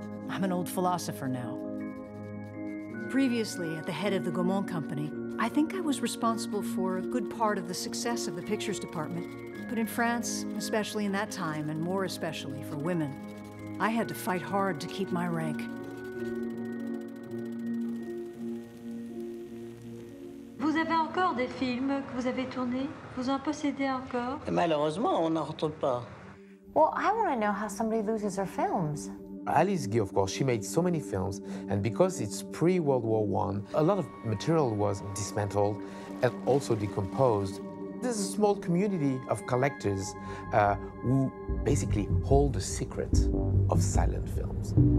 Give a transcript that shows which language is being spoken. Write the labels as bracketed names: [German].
[English] I'm an old philosopher now. Previously, at the head of the Gaumont Company, I think I was responsible for a good part of the success of the pictures department. But in France, especially in that time, and more especially for women, I had to fight hard to keep my rank. [French] Vous avez encore des films que vous avez tournés? Vous en possédez encore? Et malheureusement, on n'en retrouve pas. [English] Well, I want to know how somebody loses their films. Alice Guy, of course, she made so many films, and because it's pre-World War I, a lot of material was dismantled and also decomposed. There's a small community of collectors who basically hold the secret of silent films.